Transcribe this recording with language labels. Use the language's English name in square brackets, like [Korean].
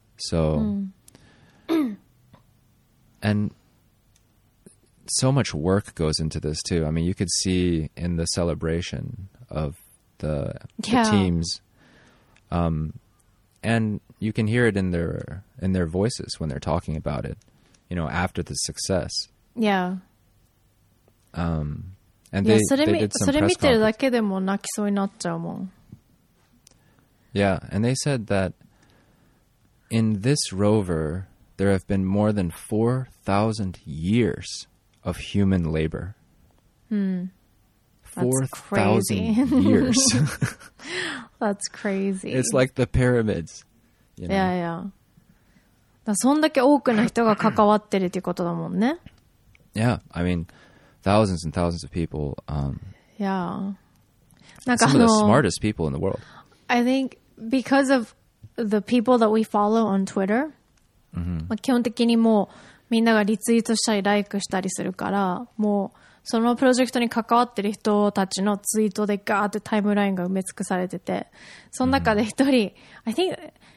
[English] So, and so much work goes into this too. I mean, you could see in the celebration of the teams. And you can hear it in their voices when they're talking about it, you know, after the success. Yeah. And they did some press conference. [Japanese] それ見てるだけでも泣きそうになっちゃうもん。 [English] Yeah, and they said that in this rover, there have been more than 4,000 years of human labor. That's crazy. 4,000 years. That's crazy. It's like the pyramids. [Japanese] いやいや。だそんだけ多くの人が関わってるってことだもんね。 [English] Yeah, I mean, thousands and thousands of people. Yeah. なんかSome of the smartest people in the world. I think because of the people that we follow on Twitter,、 [Japanese] まあ、基本的にもうみんながリツイートしたり、ライクしたりするから、もうそのプロジェクトに関わってる人たちのツイートでガーってタイムラインが埋め尽くされてて、その中で一人、 [English] I think...